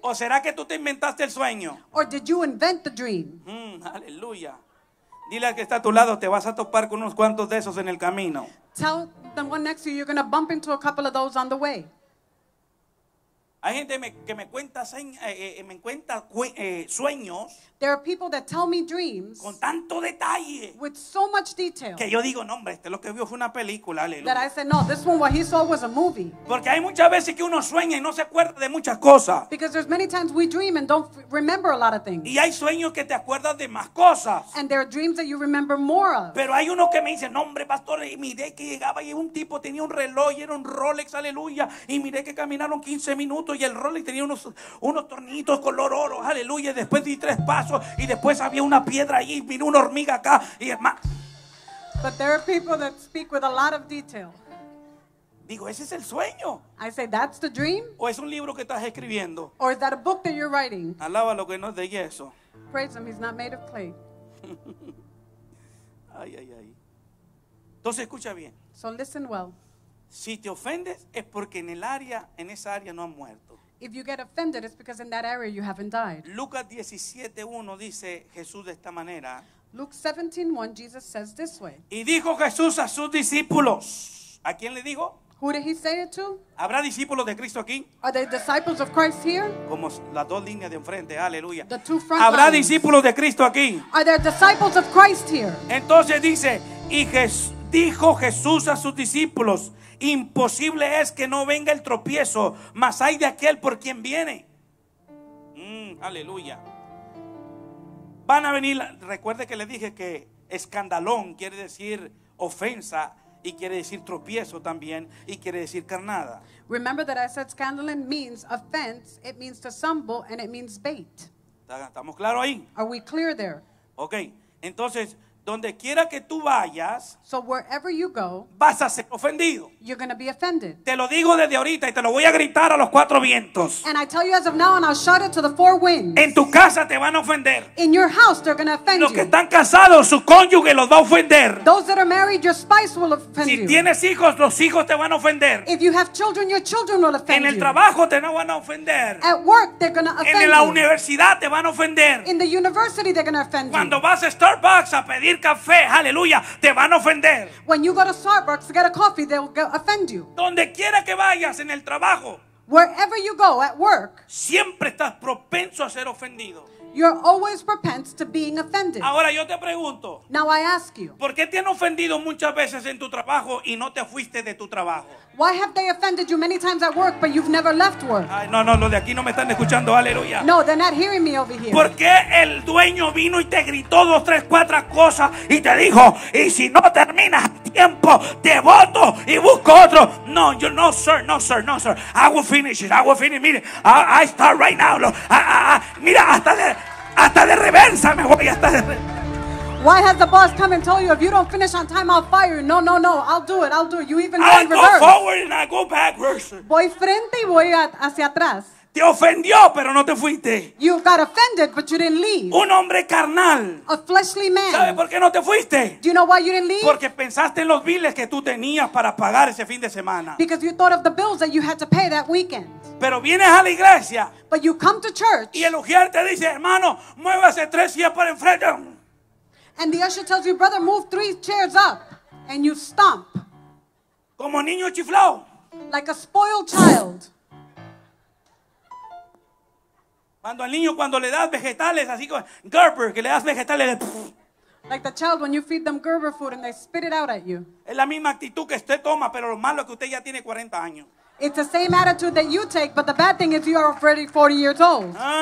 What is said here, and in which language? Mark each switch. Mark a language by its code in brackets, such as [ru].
[es] ¿O será que tú te inventaste el sueño? [en] Or did you invent the dream? [es] Aleluya. Dile al que está a tu lado, te vas a topar con unos cuantos de esos en el camino. [en] Tell the one next to you, you're going to bump into a couple of those on the way. [es] Hay gente que me cuenta, me cuenta sueños. [en] There are people that tell me dreams [es] con tanto detalle, [en] with so much detail, [es] que yo digo, no hombre, este lo que vio fue una película. Aleluya. [en] That I said, no, this one, what he saw was a movie. [es] Porque hay muchas veces que uno sueña y no se acuerda de muchas cosas. [en] Because there's many times we dream and don't remember a lot of things. [es] Y hay sueños que te acuerdas de más cosas. [en] And there are dreams that you remember more of. [es] Pero hay uno que me dice, no hombre, pastor, y miré que llegaba y un tipo tenía un reloj y era un Rolex, aleluya, y miré que caminaron 15 minutos y el Rolex tenía unos tornillitos color oro, aleluya, y después di tres pasos y después había una piedra allí, vino una hormiga acá y más. [en] But there are people that speak with a lot of detail. [es] Digo, ese es el sueño. [en] I say, that's the dream. [es] O es un libro que estás escribiendo. [en] Or is that a book that you're writing? [es] Alaba lo que no es de yeso. [en] Praise him, he's not made of clay. [es] Ay, ay, ay. Entonces escucha bien. [en] So listen well. [es] Si te ofendes es porque en esa área no han muerto. [en] If you get offended, it's because in that area you haven't died. [es] Lucas 17:1 dice Jesús de esta manera. [en] Luke 17:1, Jesus says this way. [es] Y dijo Jesús a sus discípulos. ¿A quién le dijo? [en] Who did he say it to? [es] ¿Habrá discípulos de Cristo aquí? [en] Are there disciples of Christ here? [es] Como las dos líneas de enfrente, aleluya. [en] The two front [es] ¿Habrá [en] lines? [es] Discípulos de Cristo aquí? [en] Are there disciples of Christ here? [es] Entonces dice, y dijo Jesús a sus discípulos, imposible es que no venga el tropiezo, mas hay de aquel por quien viene. Aleluya. Van a venir, recuerde que le dije que escandalón quiere decir ofensa y quiere decir tropiezo también y quiere decir carnada. [en] Remember that I said scandalon means offense, it means to stumble and it means bait. [es] ¿Estamos claros ahí? [en] Are we clear there? [es] Okay. Entonces, donde quiera que tú vayas, [en] so wherever you go, [es] vas a ser ofendido. [en] You're going to be offended. [es] Te lo digo desde ahorita y te lo voy a gritar a los cuatro vientos. [en] And I tell you as of now and I'll shout it to the four winds. [es] En tu casa te van a ofender. [en] In your house they're going to offend you. [es] Los que están casados, su cónyuge los va a ofender. [en] Those that are married, your spouse will offend you. [es] Si tienes hijos, los hijos te van a ofender. [en] If you have children, your children will offend you. [es] En el trabajo te van a ofender. [en] At work they're going to offend you. [es] En la universidad te van a ofender. [en] In the university they're going to offend you. [es] Cuando vas a Starbucks a pedir café, aleluya, te van a ofender. [en] When you go to Starbucks to get a coffee, they will offend you. [es] Donde quiera que vayas en el trabajo, [en] wherever you go at work, [es] siempre estás propenso a ser ofendido. [en] You're always propense to being offended. [es] Ahora yo te pregunto, [en] now I ask you, [es] ¿por qué te han ofendido muchas veces en tu trabajo y no te fuiste de tu trabajo? [en] Why have they offended you many times at work, but you've never left work? [es] Ay, no, no, los de aquí no me están escuchando, aleluya. [en] No, they're not hearing me over here. [es] ¿Por qué el dueño vino y te gritó dos, tres, cuatro cosas y te dijo, y si no terminas a tiempo, te voto y busco otro? [en] No, you, no, sir, no, sir, no, sir. I will finish it, I will finish it. [es] Mire, [en] I start right now. [es] Mira, hasta de reversa me voy, hasta de reversa. [en] Why has the boss come and told you, if you don't finish on time, I'll fire you? No, no, no, I'll do it, I'll do it. You even go in reverse. I'll go forward and I'll go backwards. [es] Voy frente y voy hacia atrás. Te ofendió, pero no te fuiste. [en] You got offended, but you didn't leave. [es] Un hombre carnal. [en] A fleshly man. [es] ¿Sabes por qué no te fuiste? [en] Do you know why you didn't leave? [es] Porque pensaste en los biles que tú tenías para pagar ese fin de semana. [en] Because you thought of the bills that you had to pay that weekend. [es] Pero vienes a la iglesia. [en] But you come to church. [es] Y el ujier te dice, hermano, muévase tres sillas para enfrente. [en] And the usher tells you, brother, move three chairs up. And you stomp. [es] Como niño chiflado. [en] Like a spoiled child. [es] Cuando al niño, cuando le das vegetales, así como Gerber, que le das vegetales. [en] Like the child when you feed them Gerber food and they spit it out at you. [es] Es la misma actitud que usted toma, pero lo malo es que usted ya tiene 40 años. [en] It's the same attitude that you take, but the bad thing is you are already 40 years old.